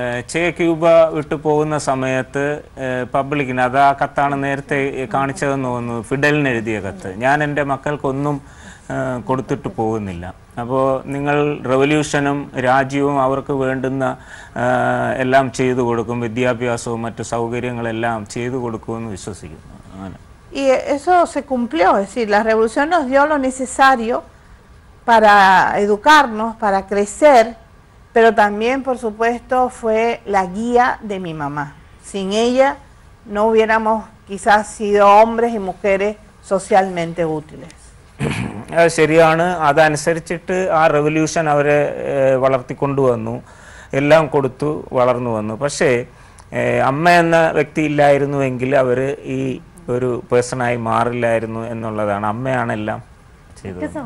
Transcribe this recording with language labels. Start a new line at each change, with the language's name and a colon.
Malayalam: ചേ ക്യൂബ വിട്ടു പോകുന്ന സമയത്ത് പബ്ലിക്കിന് അത് ആ കത്താണ് നേരത്തെ കാണിച്ചതെന്ന് തോന്നുന്നു, ഫിഡലിന് എഴുതിയ കത്ത്. ഞാൻ എൻ്റെ മക്കൾക്കൊന്നും കൊടുത്തിട്ട് പോകുന്നില്ല. അപ്പോൾ നിങ്ങൾ റെവല്യൂഷനും രാജ്യവും അവർക്ക് വേണ്ടുന്ന എല്ലാം ചെയ്തു കൊടുക്കും, വിദ്യാഭ്യാസവും മറ്റു സൗകര്യങ്ങളെല്ലാം ചെയ്തു കൊടുക്കുമെന്ന് വിശ്വസിക്കുന്നു.
Spanish: അങ്ങനെ pero también por supuesto fue la guía de mi mamá. Sin ella no hubiéramos quizás sido hombres y mujeres socialmente útiles.
Malayalam: ശരിയാണ്. അതനുസരിച്ചിട്ട് ആ റെവല്യൂഷൻ അവരെ വളർത്തിക്കൊണ്ടുവന്നു, എല്ലാം കൊടുത്തു വളർന്നു വന്നു. പക്ഷേ അമ്മ എന്ന വ്യക്തി ഇല്ലായിരുന്നുവെങ്കിൽ അവർ ഈ ഒരു പേഴ്സണായി മാറില്ലായിരുന്നു എന്നുള്ളതാണ്. അമ്മയാണെല്ലാം ചെയ്തത്.